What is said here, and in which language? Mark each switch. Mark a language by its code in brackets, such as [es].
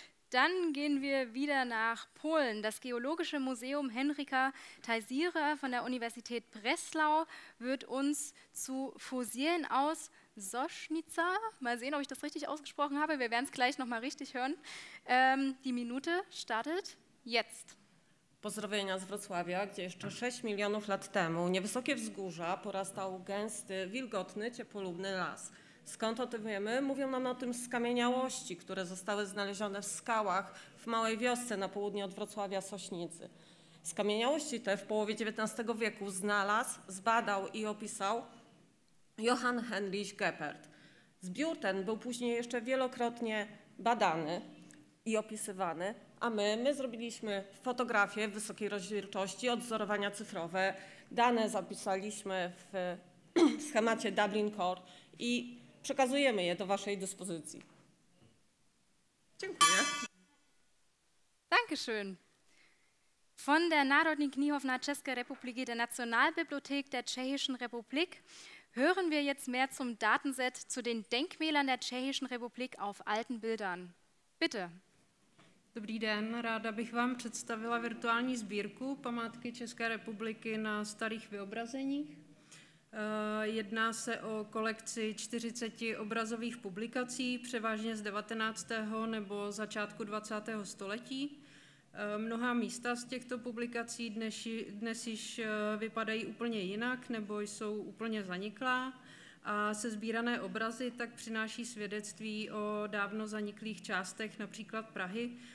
[de] Dann gehen wir wieder nach Polen. Das Geologische Museum Henryka Teisiera von der Universität Breslau wird uns zu Fossilien aus Sosnica, mal sehen, ob ich das richtig ausgesprochen habe, wir werden es gleich nochmal richtig hören. Die Minute startet jetzt. [pl] Pozdrowienia z Wrocławia, gdzie jeszcze 6 milionów lat temu niewysokie wzgórza porastał gęsty, wilgotny, ciepłolubny las. Skąd o tym wiemy? Mówią nam o tym skamieniałości, które zostały znalezione w skałach w małej wiosce na południe od Wrocławia, Sośnicy. Skamieniałości te w połowie XIX wieku znalazł, zbadał i opisał Johann Heinrich Geppert. Zbiór ten był później jeszcze wielokrotnie badany i opisywany, a my zrobiliśmy fotografie w wysokiej rozdzielczości, odwzorowania cyfrowe, dane zapisaliśmy w schemacie Dublin Core i przekazujemy je do Waszej dyspozycji. Dziękuję. [de] Dankeschön. Von der Národní knihovna České republiky, der Nationalbibliothek der Tschechischen Republik, hören wir jetzt mehr zum Datenset zu den Denkmälern der Tschechischen Republik auf alten Bildern. Bitte. [cs] Dobrý den, ráda bych vám představila virtuální sbírku památky České republiky na starých vyobrazeních. Jedná se o kolekci 40 obrazových publikací, převážně z 19. nebo začátku 20. století. Mnohá místa z těchto publikací dnes již vypadají úplně jinak nebo jsou úplně zaniklá a sesbírané obrazy tak přináší svědectví o dávno zaniklých částech například Prahy.